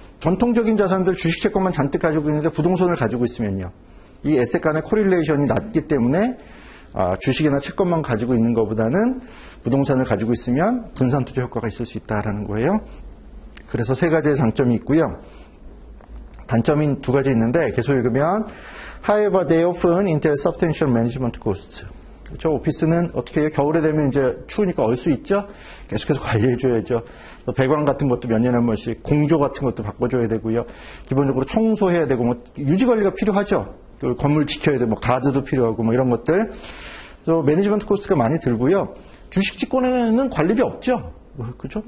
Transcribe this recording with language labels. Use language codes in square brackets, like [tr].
[ko] 전통적인 자산들 주식 채권만 잔뜩 가지고 있는데 부동산을 가지고 있으면요. 이 에셋 간의 코릴레이션이 낮기 때문에 주식이나 채권만 가지고 있는 것보다는 부동산을 가지고 있으면 분산 투자 효과가 있을 수 있다라는 거예요. 그래서 세 가지의 장점이 있고요. 단점인 두 가지 있는데 계속 읽으면 [en] However, they often entail substantial management costs. [ko] 저 오피스는 어떻게 해요? 겨울에 되면 이제 추우니까 얼 수 있죠? 계속해서 관리해줘야죠. 배관 같은 것도 몇 년에 한 번씩 공조 같은 것도 바꿔줘야 되고요. 기본적으로 청소해야 되고 뭐 유지관리가 필요하죠. 그리고 건물 지켜야 되고 뭐 가드도 필요하고 뭐 이런 것들. 그래서 매니지먼트 코스트가 많이 들고요. 주식 직권에는 관리비 없죠. 그죠?